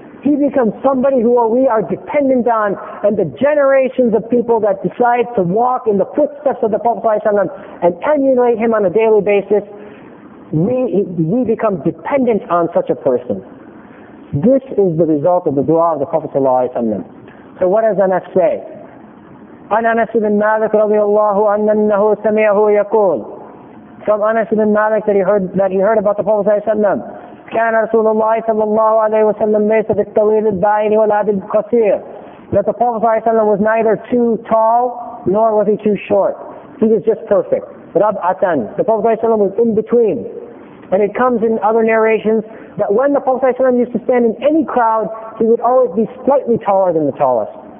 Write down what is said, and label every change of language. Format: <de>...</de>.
<en>He becomes somebody who we are dependent on, and the generations of people that decide to walk in the footsteps of the Prophet ﷺ and emulate him on a daily basis, we become dependent on such a person. This is the result of the dua of the Prophet ﷺ. So what does Anas say?</en> <ar>An Anas ibn Malik radiallahu anhu sami'ahu yaqul.</ar> <en>From Anas ibn Malik that he heard about the Prophet ﷺ.</en> <ar>كان رسول الله صلى الله عليه وسلم ليس بالطويل الباين ولا بالقصير.</ar> <en>That the Prophet صلى الله عليه وسلم was neither too tall nor was he too short. He was just perfect. رَبْعَةً. The Prophet صلى الله عليه وسلم was in between. And it comes in other narrations that when the Prophet صلى الله عليه وسلم used to stand in any crowd, he would always be slightly taller than the tallest.</en>